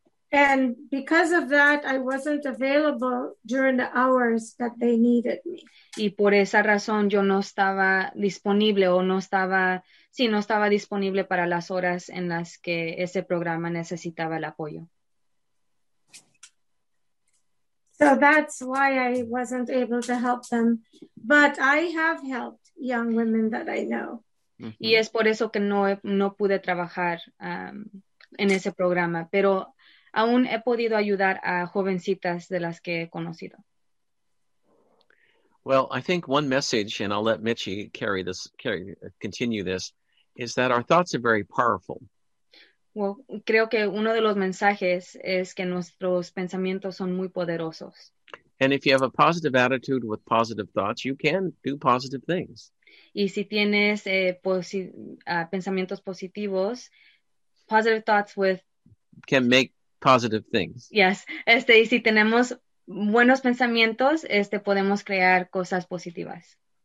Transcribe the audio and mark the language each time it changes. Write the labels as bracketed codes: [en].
[en] And because of that, I wasn't available during the hours that they needed me. [es] Y por esa razón, yo no estaba disponible no estaba disponible para las horas en las que ese programa necesitaba el apoyo. [en] So that's why I wasn't able to help them. But I have helped young women that I know. [es] Y es por eso que no pude trabajar en ese programa, pero aún he podido ayudar a jovencitas de las que he conocido. [en] Well, I think one message, and I'll let Michi continue this, is that our thoughts are very powerful. [es] Well, creo que uno de los mensajes es que nuestros pensamientos son muy poderosos. [en] And if you have a positive attitude with positive thoughts, you can do positive things. [es] Y si tienes pensamientos positivos, [en] positive thoughts with... Can make positive things. Yes. [es] Y si tenemos buenos pensamientos, podemos crear cosas positivas.